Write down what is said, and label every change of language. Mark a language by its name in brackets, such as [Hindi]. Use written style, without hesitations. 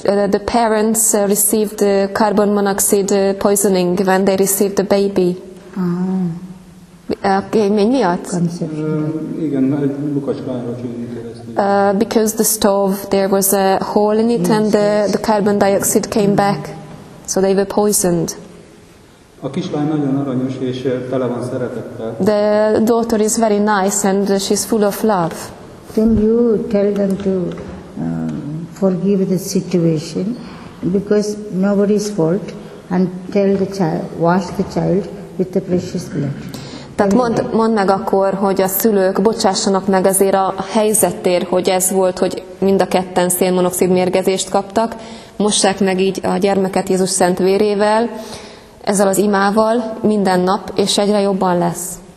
[English] The parents received carbon monoxide poisoning when they received the baby. [Hungarian] A kémény miatt? Igen, Lukacskára csinálni. [English] Because the stove, there was a hole in it, and the carbon dioxide came back, so they were poisoned. [Hungarian] A kislány nagyon aranyos, és tele van szeretettel. [English] The daughter is very nice, and she's full of love. Then you tell them to forgive the situation, because nobody's fault, and tell the child, wash the child with the precious blood. [Hungarian] Tehát mondd meg akkor, hogy a szülők bocsássanak meg azért a helyzetért, hogy ez volt, hogy mind a ketten szénmonoxid mérgezést kaptak. Mossák meg így a gyermeket Jézus szent vérével, ezzel az imával, minden nap, és egyre jobban lesz.